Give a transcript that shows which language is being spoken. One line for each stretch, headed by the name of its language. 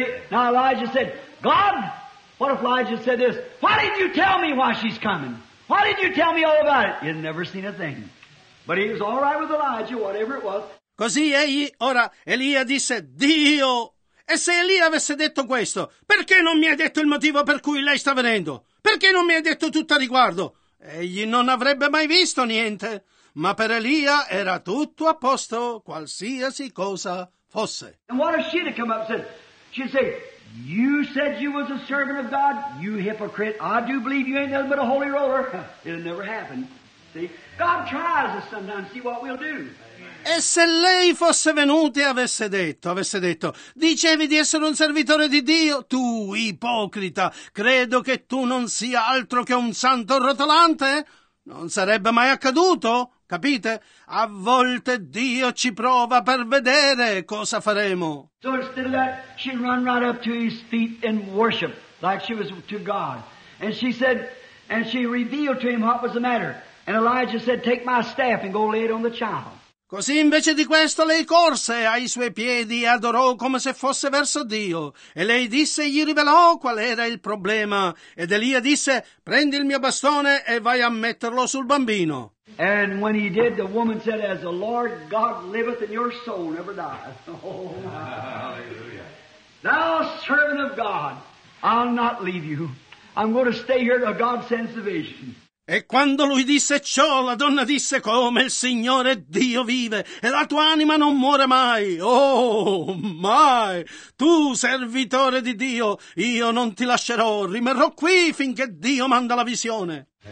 English: Now Elijah said, God, what if Elijah said this? Why didn't you tell me why she's coming? Why didn't you tell me all about it? He had never seen a thing. But he was all right with Elijah, whatever it was.
Italian: Così egli, ora, Elia disse, Dio, e se Elia avesse detto questo, perché non mi hai detto il motivo per cui lei sta venendo? Perché non mi hai detto tutto a riguardo? Egli non avrebbe mai visto niente, ma per Elia era tutto a posto, qualsiasi cosa fosse.
English: And what if she had come up and said, she'd say, you said you was a servant of God, you hypocrite, I do believe you ain't nothing but a holy roller. It'll never happen, see? God tries us sometimes, see what we'll do.
Italian: E se lei fosse venuta e avesse detto, dicevi di essere un servitore di Dio, tu ipocrita, credo che tu non sia altro che un santo rotolante, non sarebbe mai accaduto, capite? A volte Dio ci prova per vedere cosa faremo.
English: So instead of that, she ran right up to his feet in worship, like she was to God. And she said, and she revealed to him what was the matter. And Elijah said, take my staff and go lay it on the child.
Italian: Così invece di questo lei corse ai suoi piedi e adorò come se fosse verso Dio. E lei disse e gli rivelò qual era il problema. Ed Elia disse, prendi il mio bastone e vai a metterlo sul bambino.
English: And when he did, the woman said, as the Lord God liveth in your soul, never die. Oh, thou servant of God, I'll not leave you. I'm going to stay here till God sends the vision.
Italian: E quando lui disse ciò, la donna disse, come il Signore Dio vive, e la tua anima non muore mai, oh, mai. Tu, servitore di Dio, io non ti lascerò, rimarrò qui finché Dio manda la visione.